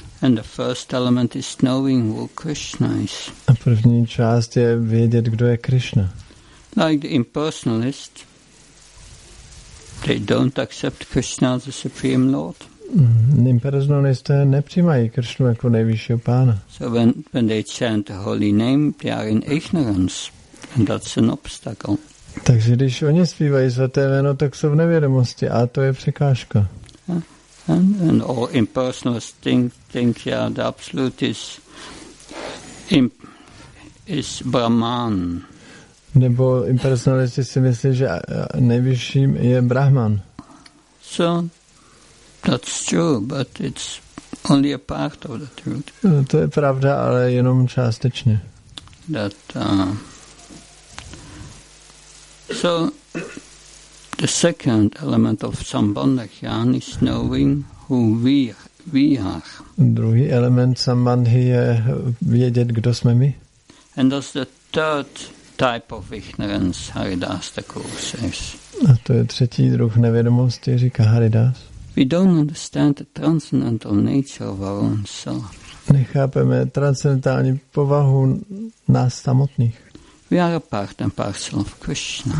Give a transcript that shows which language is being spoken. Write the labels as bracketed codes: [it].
[en] And the first element is knowing who Krishna is. [cs] A první část je vědět, kdo je Krishna. [en] Like the impersonalist, they don't accept Krishna as the supreme Lord. [cs] Impersonalisté nepřijímají Krishnu jako nejvyššího pána. [en] So when they chant the holy name, they are in ignorance, and that's an obstacle. [cs] Takže když oni zpívají svaté jméno, tak jsou v nevědomosti a to je překážka. [en] And all impersonalists think yeah, the absolute is Brahman. [cs] Nebo impersonalisti si myslí, že nejvyšším je Brahman. [en] So that's true, but it's only a part of the truth. [cs] To je pravda, ale jenom částečně. [en] That so the second element of sambandha jnana is knowing who we are. [cs] Druhý element sambandhy je vědět, kdo jsme my. [en] And that's the third type of ignorance, Haridas Thakur says. [cs] A to je třetí druh nevědomosti, říká Haridas. [en] We don't understand the transcendental nature of our own self. [cs] Nechápeme transcendentální povahu nás samotných. [en] We are a part and parcel of Krishna.